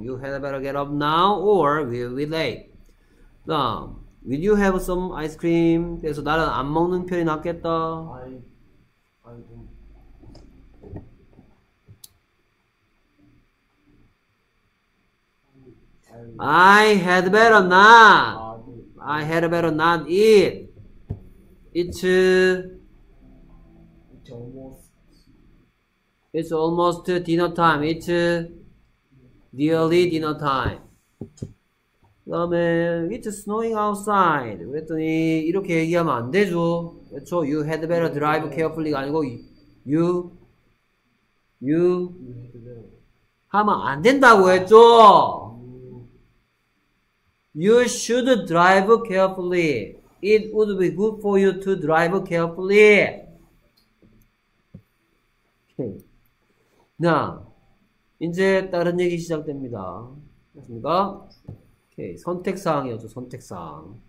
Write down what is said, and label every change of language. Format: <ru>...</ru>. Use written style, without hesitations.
<en>You had better get up now or we'll be late.</en> <ko>다음,</ko> <en>Will you have some ice cream?</en> <ko>그래서 나는 안 먹는 편이 낫겠다.</ko> <en>I don't. I had better not. I had better not eat. It's almost dinner time. It's nearly dinner time.</en> <ko>그다음에</ko> <en>It's snowing outside.</en> <ko>그랬더니 이렇게 얘기하면 안 되죠.</ko> <en>So you had better drive carefully가 아니고 you</en> <ko>하면 안 된다고 했죠.</ko> <en>You should drive carefully. It would be good for you to drive carefully. Okay.</en> <ko>자, 이제 다른 얘기 시작됩니다. 맞습니까? 오케이, 선택사항이었죠, 선택사항.</ko>